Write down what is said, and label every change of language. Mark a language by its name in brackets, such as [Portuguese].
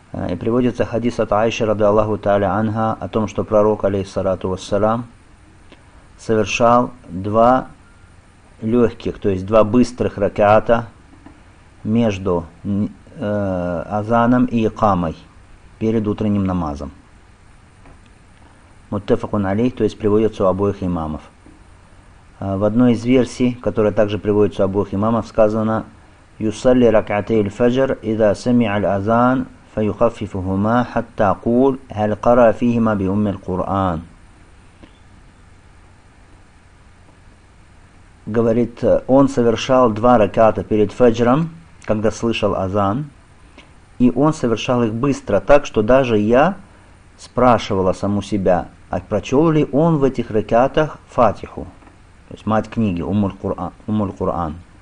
[Russian] И приводится хадис от Аиши ради Аллаху Та'аля Анха о том, что пророк, алейхиссалату вассалам, совершал два легких, то есть два быстрых раката между азаном и икамой перед утренним намазом. Муттафакун алейх, то есть приводится у обоих имамов. В одной из версий, которая также приводится у обоих имамов, сказано: [Arabic] يصلي ركعتي الفجر إذا سمع الأذان فيخففهما حتى أقول هل قرأ فيهما بأم القرآن. [Russian] Говорит, он совершал два раката перед фаджром, когда слышал азан, и он совершал их быстро, так что даже я спрашивала саму себя, а прочел ли он в этих ракатах фатиху, то есть мать книги, Ум-Куран.